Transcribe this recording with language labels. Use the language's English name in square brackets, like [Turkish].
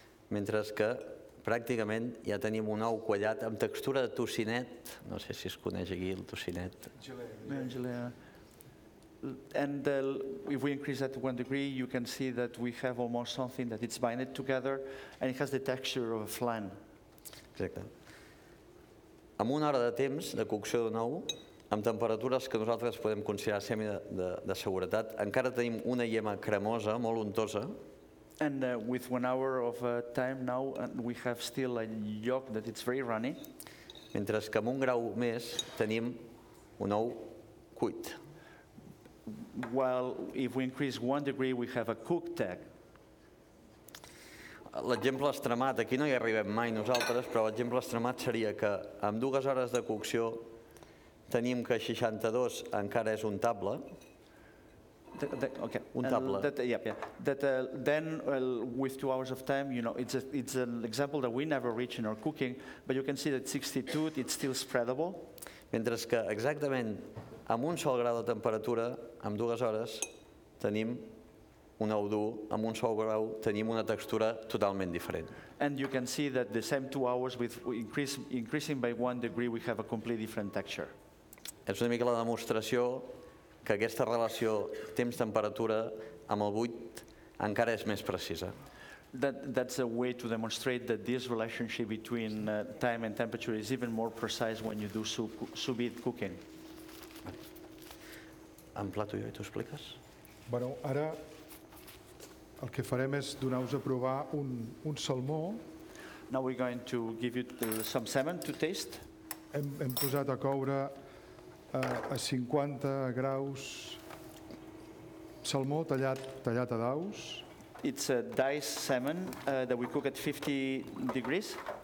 [Catalan] Mentre que pràcticament ja tenim un ou quallat amb textura de tocinet. No sé si es coneix aquí el tocinet. Gelea. [English] And if we increase that 1 degree, you can see that we have almost something that it's binded together, and it has the texture of a flan. [Catalan] Exacte. Amb una hora de temps de cocció d'un ou, amb temperatures que nosaltres podem considerar semi de seguretat, encara tenim una llema cremosa, molt untosa. [English] And with 1 hour of time now, and we have still a yolk that it's very runny. [Catalan] Mentre que amb un grau més tenim un ou cuit. [English] Well, if we increase 1 degree, we have a cooked egg. [Catalan] L'exemple extremat, aquí no hi arribem mai nosaltres, però l'exemple extremat seria que amb 2 hores de cocció tenim que 62 encara és untable. [English] With 2 hours of time, you know, it's an example that we never reach in our cooking, but you can see that 62, it's still spreadable. [Catalan] Mentre que exactament amb un sol grau de temperatura, amb 2 hores, tenim un ou dur, amb un sol grau tenim una textura totalment diferent. [English] And you can see that the same 2 hours with increasing by 1 degree, we have a completely different texture. [Catalan] És una mica la demostració que aquesta relació temps-temperatura amb el buit encara és més precisa. [English] That's a way to demonstrate that this relationship between time and temperature is even more precise when you do sous-vide cooking. [Catalan] En plato jo i tu expliques? Bueno, ara el que farem és donar-vos a provar un salmó. [English] Now we're going to give you some salmon to taste. [Catalan] Hem posat a coure a 50 graus salmó tallat a daus. [English] It's a diced salmon that we cook at 50 degrees.